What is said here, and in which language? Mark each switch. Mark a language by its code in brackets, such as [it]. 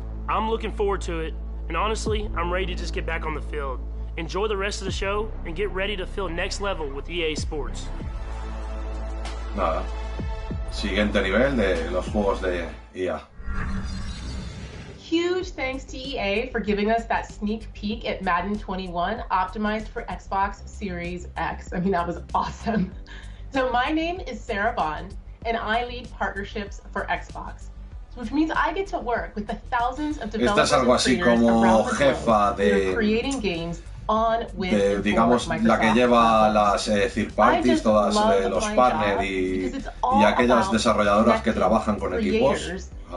[en] I'm looking forward to it, and honestly, I'm ready to just get back on the field. Enjoy the rest of the show and get ready to feel next level with EA Sports. [es] Nada. Siguiente nivel de los juegos de EA. [en] Huge thanks to EA for giving us that sneak peek at Madden 21 optimized for Xbox Series X. I mean, that was awesome. So my name is Sarah Bond and I lead partnerships for Xbox, which means I get to work with the thousands of developers. [es] Estás algo así como jefa de [en] creating games. [es] De, digamos, la que lleva las third parties, todas los partners y aquellas desarrolladoras que trabajan con equipos.